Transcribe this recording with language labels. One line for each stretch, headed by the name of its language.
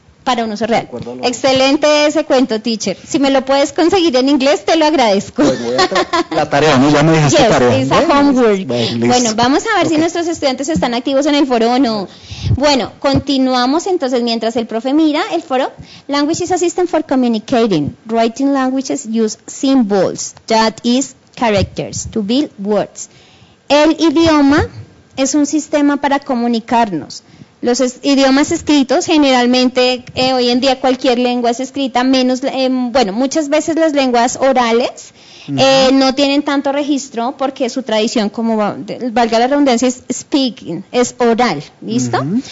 Spanish: para un uso real. Excelente ese cuento, teacher. Si me lo puedes conseguir en inglés, te lo agradezco. Pues la tarea, ¿no? Ya me dejaste tarea.
English: Yes, it's a homework.
Spanish: Bueno, vamos a ver si nuestros estudiantes están activos en el foro o no. Bueno, continuamos entonces mientras el profe mira el foro.
English: Languages assistant for communicating. Writing languages use symbols, that is, characters, to build words.
Spanish: El idioma es un sistema para comunicarnos. Los idiomas escritos, generalmente, hoy en día cualquier lengua es escrita, menos, muchas veces las lenguas orales no tienen tanto registro porque su tradición, como valga la redundancia, es speaking, es oral, ¿listo?